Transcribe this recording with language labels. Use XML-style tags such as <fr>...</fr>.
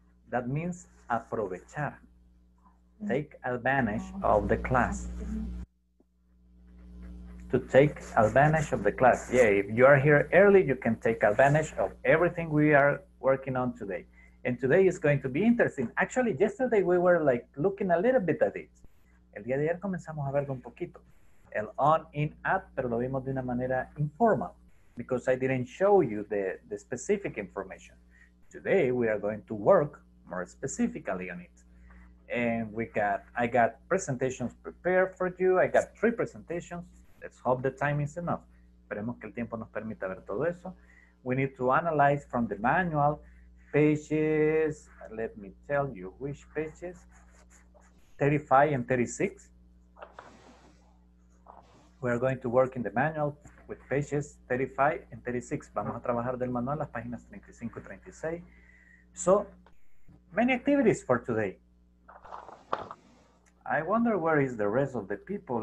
<en>That means aprovechar. Take advantage of the class. To take advantage of the class. Yeah, if you are here early, you can take advantage of everything we are working on today. And today is going to be interesting. Actually, yesterday we were like looking a little bit at it.</en> <es>El día de ayer comenzamos a verlo un poquito. El on, in, at, pero lo vimos de una manera informal.</es> <en>Because I didn't show you the specific information. Today we are going to work more specifically on it. And I got presentations prepared for you. I got 3 presentations. Let's hope the time is enough.</en> <es>Esperemos que el tiempo nos permita ver todo eso.</es> <en>We need to analyze from the manual pages. Let me tell you which pages. 35 and 36. We are going to work in the manual with pages 35 and 36.</en> <es>Vamos a trabajar del manual las páginas 35 y 36.</es> <en>So, many activities for today. I wonder where is the rest of the people.</en>